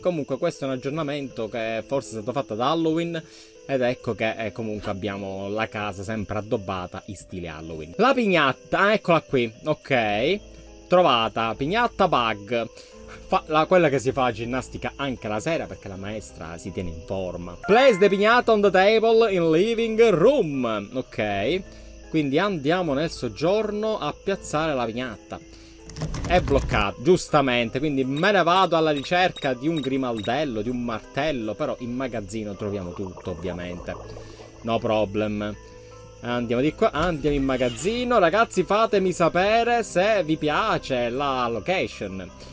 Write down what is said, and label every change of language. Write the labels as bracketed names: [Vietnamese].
[Italian] Comunque questo è un aggiornamento che forse è stato fatto ad Halloween. Ed ecco che comunque abbiamo la casa sempre addobbata in stile Halloween. La pignatta, eccola qui. Ok, trovata. Pignatta bug. Quella che si fa a ginnastica anche la sera, perché la maestra si tiene in forma. [English] Place the pignata on the table in living room. [Italian] Ok, quindi andiamo nel soggiorno a piazzare la pignatta. È bloccato, giustamente. Quindi me ne vado alla ricerca di un grimaldello, di un martello. Però in magazzino troviamo tutto, ovviamente. [English] No problem. [Italian] Andiamo di qua, andiamo in magazzino. Ragazzi, fatemi sapere se vi piace la location.